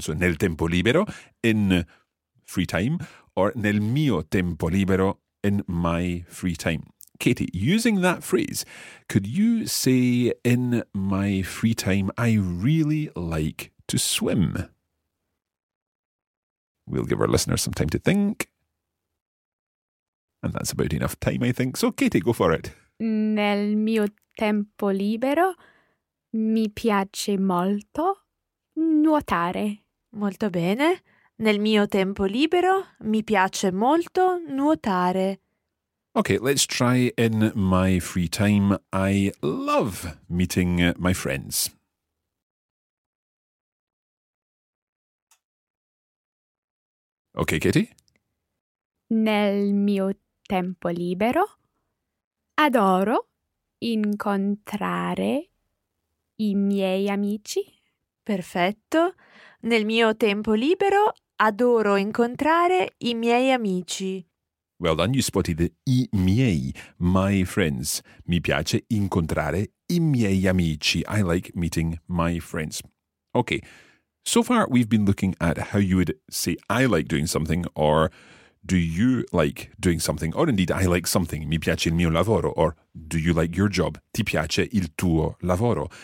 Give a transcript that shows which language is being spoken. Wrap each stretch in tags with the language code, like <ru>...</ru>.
<en>So</en> <it>nel tempo libero,</it> <en>in free time, or</en> <it>nel mio tempo libero,</it> <en>in my free time. Katie, using that phrase, could you say in my free time, I really like to swim? We'll give our listeners some time to think. And that's about enough time, I think. So, Katie, go for it.</en> <it>Nel mio tempo libero mi piace molto nuotare. Molto bene. Nel mio tempo libero mi piace molto nuotare.</it> <en>Okay, let's try in my free time. I love meeting my friends. Okay, Katie?</en> <it>Nel mio tempo libero adoro incontrare i miei amici. Perfetto. Nel mio tempo libero adoro incontrare i miei amici.</it> <en>Well done, you spotted the</en> <it>i miei,</it> <en>my friends.</en> <it>Mi piace incontrare i miei amici.</it> <en>I like meeting my friends. Okay. So far, we've been looking at how you would say, I like doing something, or do you like doing something, or indeed, I like something,</en> <it>mi piace il mio lavoro,</it> <en>or do you like your job,</en> <it>ti piace il tuo lavoro.</it>